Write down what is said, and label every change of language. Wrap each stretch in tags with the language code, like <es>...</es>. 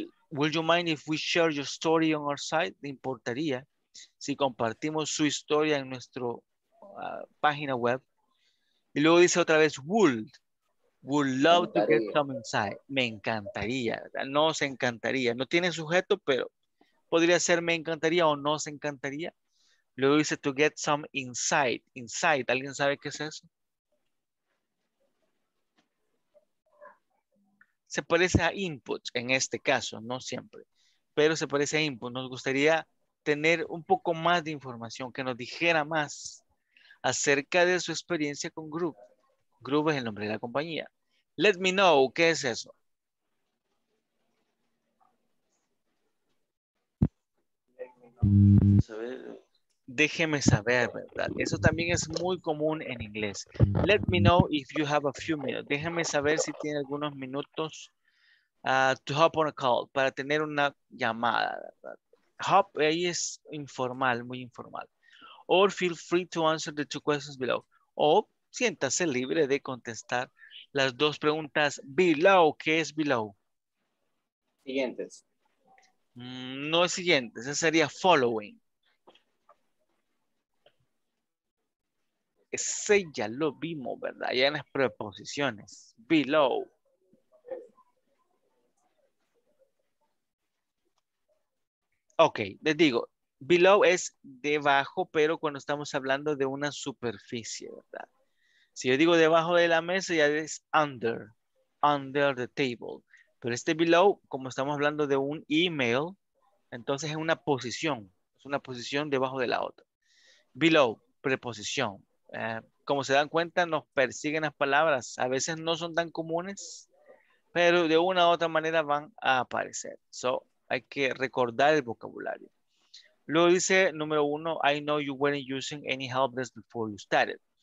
<en>Would you mind if we share your story on our site?</en> <es>¿Te importaría si compartimos su historia en nuestra página web? Y luego dice otra vez,</es> <en>would. Would love to get some insight.</en> <es>Me encantaría. No se encantaría. No tiene sujeto, pero podría ser me encantaría o nos encantaría. Luego dice</es> <en>to get some insight.</en> <es>Insight, ¿alguien sabe qué es eso? Se parece a input en este caso, no siempre. Pero se parece a input. Nos gustaría tener un poco más de información, que nos dijera más acerca de su experiencia con Group. Group es el nombre de la compañía.</es> <en>Let me know,</en> <es>¿qué es eso? Déjeme saber, ¿verdad? Eso también es muy común en inglés.</es> <en>Let me know if you have a few minutes.</en> <es>Déjeme saber si tiene algunos minutos</es> <en>to hop on a call,</en> <es>para tener una llamada, ¿verdad? Hop, ahí es informal, muy informal.</es> <en>Or feel free to answer the two questions below.</en> <es>O siéntase libre de contestar las dos preguntas below. ¿Qué es below? Siguientes. No es siguiente, ese sería following. ese ya lo vimos, ¿verdad? Ya en las preposiciones. Below. Ok, les digo, below es debajo, pero cuando estamos hablando de una superficie, ¿verdad? Si yo digo debajo de la mesa, ya es under,</es> <en>under the table.</en> <es>Pero este below, como estamos hablando de un email, entonces es una posición. Es una posición debajo de la otra. Below, preposición. Como se dan cuenta, nos persiguen las palabras. A veces no son tan comunes, pero de una u otra manera van a aparecer. So, hay que recordar el vocabulario. Luego dice, número uno,</es> <en>I know you weren't using any help desk before you started.</en>